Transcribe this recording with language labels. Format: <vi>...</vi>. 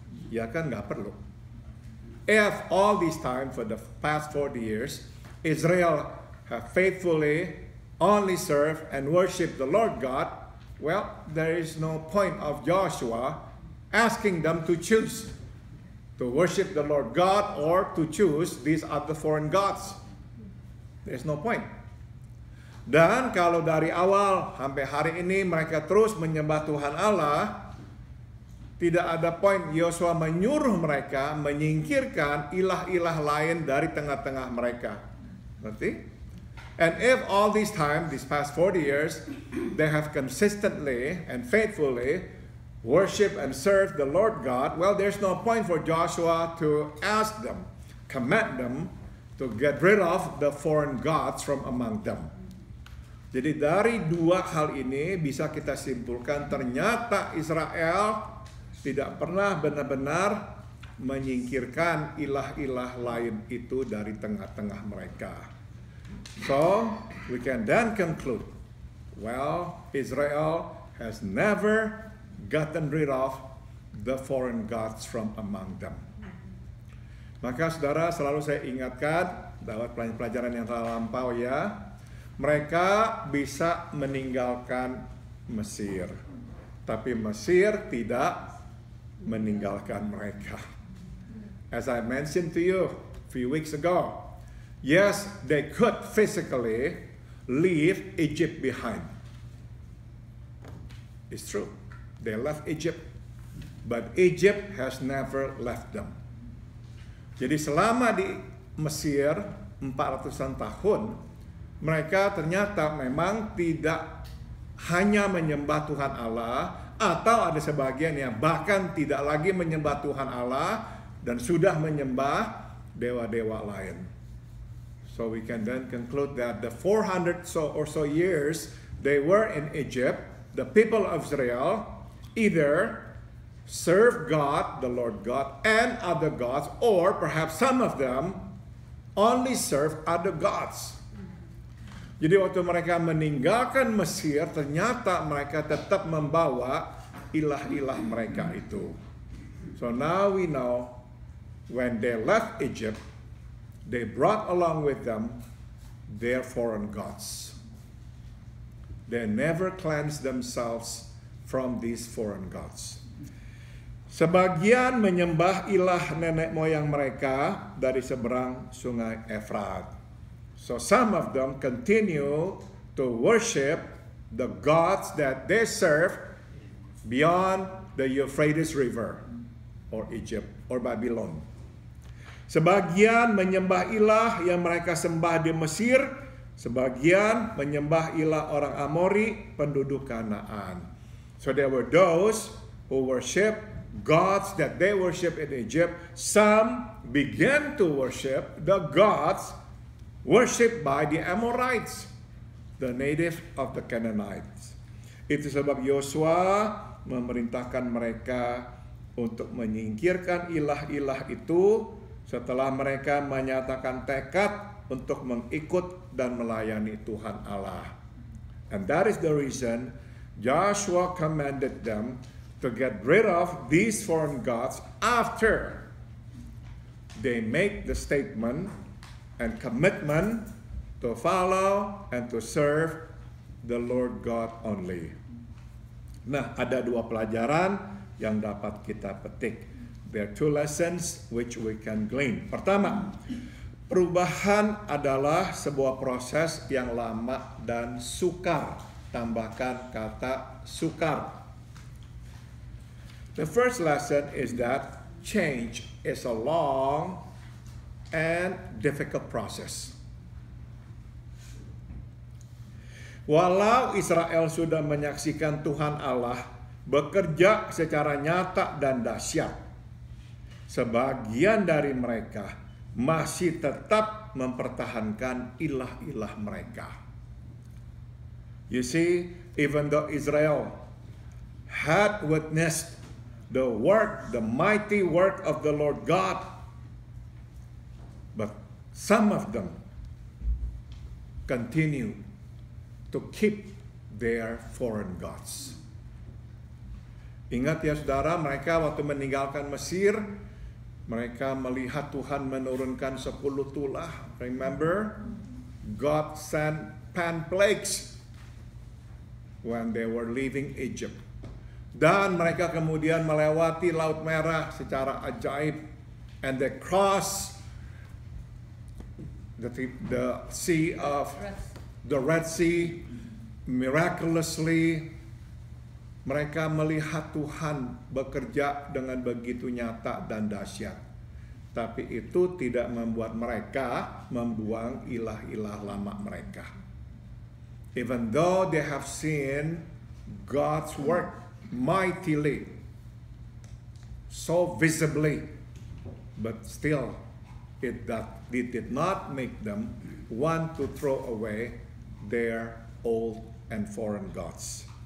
<id>Ya kan, gak perlu.</id> <en>If all this time for the past 40 years Israel have faithfully only served and worship the Lord God, well, there is no point of Joshua asking them to choose to worship the Lord God or to choose these other foreign gods. There's no point.</en> <id>Dan kalau dari awal sampai hari ini mereka terus menyembah Tuhan Allah, tidak ada poin Yosua menyuruh mereka menyingkirkan ilah-ilah lain dari tengah-tengah mereka. Berarti?</id> <en>And if all this time, these past 40 years, they have consistently and faithfully worship and serve the Lord God, well, there's no point for Joshua to ask them, command them to get rid of the foreign gods from among them.</en> <id>Jadi dari dua hal ini bisa kita simpulkan, ternyata Israel tidak pernah benar-benar menyingkirkan ilah-ilah lain itu dari tengah-tengah mereka.</id> <en>So, we can then conclude, well, Israel has never gotten rid of the foreign gods from among them.</en> <id>Maka saudara, selalu saya ingatkan dapat pelajaran yang telah lampau ya. Mereka bisa meninggalkan Mesir, tapi Mesir tidak meninggalkan mereka.</id> <en>As I mentioned to you a few weeks ago, yes, they could physically leave Egypt behind. It's true, they left Egypt, but Egypt has never left them.</en> <id>Jadi selama di Mesir 400-an tahun, mereka ternyata memang tidak hanya menyembah Tuhan Allah, atau ada sebagian yang bahkan tidak lagi menyembah Tuhan Allah dan sudah menyembah dewa-dewa lain.</id> <en>So we can then conclude that the 400 or so years they were in Egypt, the people of Israel either served God, the Lord God, and other gods, or perhaps some of them only served other gods.</en> <id>Jadi waktu mereka meninggalkan Mesir, ternyata mereka tetap membawa ilah-ilah mereka itu.</id> <en>So now we know, when they left Egypt, they brought along with them their foreign gods. They never cleansed themselves from these foreign gods.</en> <id>Sebagian menyembah ilah nenek moyang mereka dari seberang sungai Efrat.</id> <en>So some of them continue to worship the gods that they serve beyond the Euphrates River, or Egypt, or Babylon.</en> <id>Sebagian menyembah ilah yang mereka sembah di Mesir, sebagian menyembah ilah orang Amori, penduduk Kanaan.</id> <en>So there were those who worship gods that they worship in Egypt. Some began to worship the gods worshipped by the Amorites, the native of the Canaanites.</en> <id>Itu sebab Yosua memerintahkan mereka untuk menyingkirkan ilah-ilah itu setelah mereka menyatakan tekad untuk mengikut dan melayani Tuhan Allah.</id> <en>And that is the reason Joshua commanded them to get rid of these foreign gods after they make the statement and commitment to follow and to serve the Lord God only.</en> <id>Nah, ada dua pelajaran yang dapat kita petik.</id> <en>There are two lessons which we can glean.</en> <id>Pertama, perubahan adalah sebuah proses yang lama dan sukar. Tambahkan kata sukar.</id> <en>The first lesson is that change is a long and difficult process.</en> <id>Walau Israel sudah menyaksikan Tuhan Allah bekerja secara nyata dan dahsyat, sebagian dari mereka masih tetap mempertahankan ilah-ilah mereka.</id> <en>You see, even though Israel had witnessed the work, the mighty work of the Lord God, but some of them continue to keep their foreign gods.</en> <id>Ingat ya saudara, mereka waktu meninggalkan Mesir, mereka melihat Tuhan menurunkan 10 tulah.</id> <en>Remember, God sent 10 plagues when they were leaving Egypt.</en> <id>Dan mereka kemudian melewati Laut Merah secara ajaib,</id> <en>and they cross the sea of the Red Sea miraculously.</en> <id>Mereka melihat Tuhan bekerja dengan begitu nyata dan dahsyat. Tapi itu tidak membuat mereka membuang ilah-ilah lama mereka.</id> <en>Even though they have seen God's work mightily, so visibly, but still it did not make them want to throw away their old and foreign gods.</en>